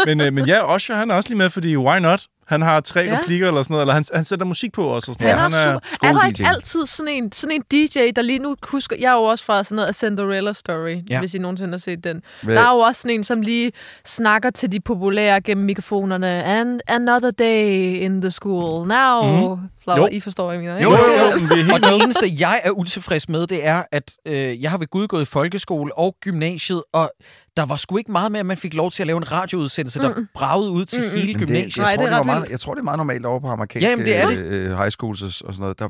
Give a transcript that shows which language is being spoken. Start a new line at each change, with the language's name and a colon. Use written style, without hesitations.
Danish: Men Usher, han er også lige med, fordi
English: why not?
Danish: Han har tre replikker eller sådan noget, eller han sætter musik på også. Og sådan han er super. Er der ikke altid sådan en DJ, der lige nu husker... Jeg er jo også fra sådan noget af Cinderella Story, hvis I nogensinde har set den. Men, der er jo også sådan en, som lige snakker til de populære gennem mikrofonerne.
English: And another day in the school.
Danish: Now... Mm. Flabber, I forstår, hvad jeg mener. Jo. Og det eneste, jeg er utilfreds med, det er, at jeg har ved Gud gået i folkeskole og gymnasiet, og... Der var sgu ikke meget med, at man fik lov til at lave en radioudsendelse, der bragede ud til hele gymnasiet. Jeg tror, det er meget normalt over på amerikanske high schools og sådan noget.